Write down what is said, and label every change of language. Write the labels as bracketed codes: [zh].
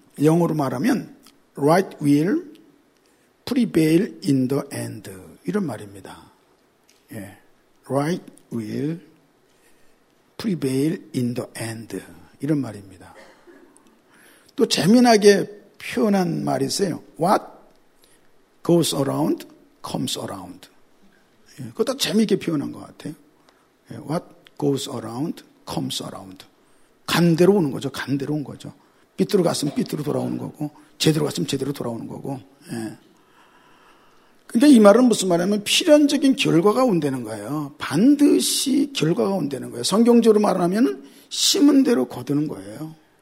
[ko] 영어로 말하면, [en] right will prevail in the end. [ko] 이런 말입니다. 예. [en] Right will prevail in the end. [ko] 이런 말입니다. 또 재미나게 표현한 말이 있어요. [en] What goes around comes around. [ko] 그것 다 재미있게 표현한 것 같아요. [en] What goes around comes around. [ko] 간대로 오는 거죠. 간대로 온 거죠. 삐뚤어 갔으면 삐뚤어 돌아오는 거고 제대로 갔으면 제대로 돌아오는 거고. 그러니까 이 말은 무슨 말이냐면 필연적인 결과가 온다는 거예요. 반드시 결과가 온다는 거예요. 성경적으로 말하면 심은 대로 거두는 거예요.